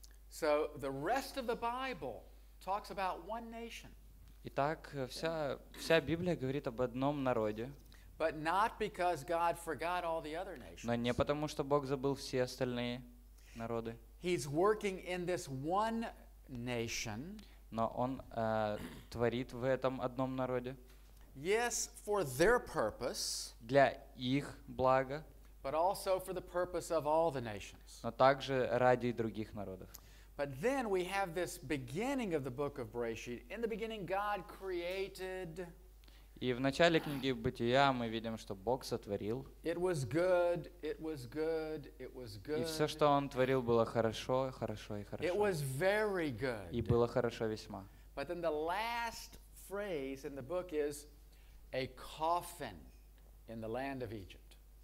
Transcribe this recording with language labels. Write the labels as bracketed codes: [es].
[en] So the rest of the Bible talks about one nation. [ru] Итак, вся Библия говорит об одном народе. [en] But not because God forgot all the other nations. [ru] Но не потому, что Бог забыл все остальные народы. [en] He's working in this one nation. [ru] Но он творит в этом одном народе. [en] Yes, for their purpose. [ru] Для их блага. [en] But also for the purpose of all the nations. [ru] Но также ради других народов. [en] But then we have this beginning of the book of Bereishit. In the beginning, God created. [ru] И в начале книги Бытия мы видим, что Бог сотворил. [en] It was good, it was good, it was good. [ru] И все, что Он творил, было хорошо, хорошо и хорошо. [en] It was very good. [ru] И было хорошо весьма. [en] But then the last phrase in the book is a coffin in the land of Egypt.